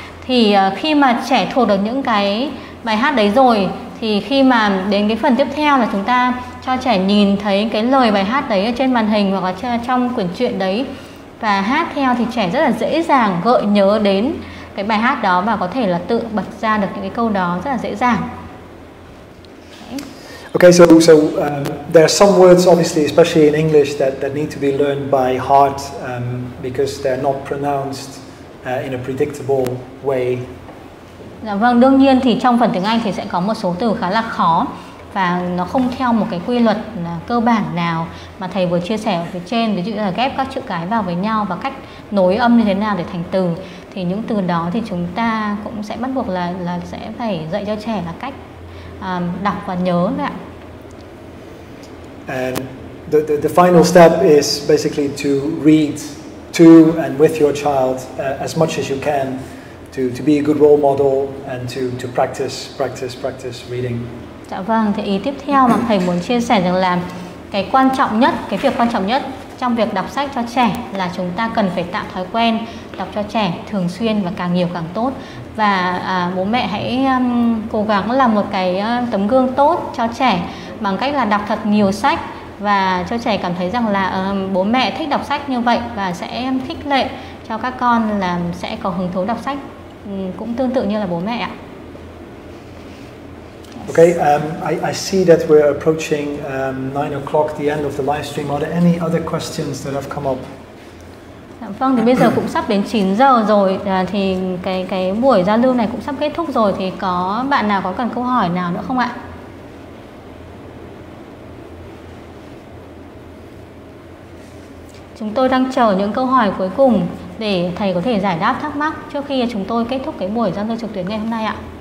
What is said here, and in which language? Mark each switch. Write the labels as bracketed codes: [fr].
[vi] Thì khi mà trẻ thuộc được những cái bài hát đấy rồi thì khi mà đến cái phần tiếp theo là chúng ta cho trẻ nhìn thấy cái lời bài hát đấy ở trên màn hình hoặc là trong quyển truyện đấy và hát theo thì trẻ rất là dễ dàng gợi nhớ đến cái bài hát đó và có thể là tự bật ra được những cái câu đó rất là dễ dàng. [en] Okay, so there are some words, obviously, especially in English, that need to be learned by heart because they're not pronounced in a predictable way. [vi] Dạ vâng, đương nhiên thì trong phần tiếng Anh thì sẽ có một số từ khá là khó và nó không theo một cái quy luật cơ bản nào mà thầy vừa chia sẻ ở phía trên, ví dụ như là ghép các chữ cái vào với nhau và cách nối âm như thế nào để thành từ. Thì những từ đó thì chúng ta cũng sẽ bắt buộc là sẽ phải dạy cho trẻ là cách đọc và nhớ đấy ạ. [en] And the final step is basically to read to and with your child as much as you can to be a good role model and to practice reading. [vi] Dạ vâng, thì ý tiếp theo mà thầy muốn chia sẻ rằng là cái quan trọng nhất, cái việc quan trọng nhất trong việc đọc sách cho trẻ là chúng ta cần phải tạo thói quen đọc cho trẻ thường xuyên và càng nhiều càng tốt. Và bố mẹ hãy cố gắng làm một cái tấm gương tốt cho trẻ bằng cách là đọc thật nhiều sách và cho trẻ cảm thấy rằng là bố mẹ thích đọc sách như vậy và sẽ khích lệ cho các con là sẽ có hứng thú đọc sách cũng tương tự như là bố mẹ ạ. [en] Okay, I see that we're approaching 9 o'clock, the end of the live stream. Are there any other questions that have come up? [vi] Vâng, thì bây giờ cũng sắp đến 9 giờ rồi, thì cái buổi giao lưu này cũng sắp kết thúc rồi, thì có bạn nào có cần câu hỏi nào nữa không ạ? Chúng tôi đang chờ những câu hỏi cuối cùng để thầy có thể giải đáp thắc mắc trước khi chúng tôi kết thúc cái buổi giao lưu trực tuyến ngày hôm nay ạ.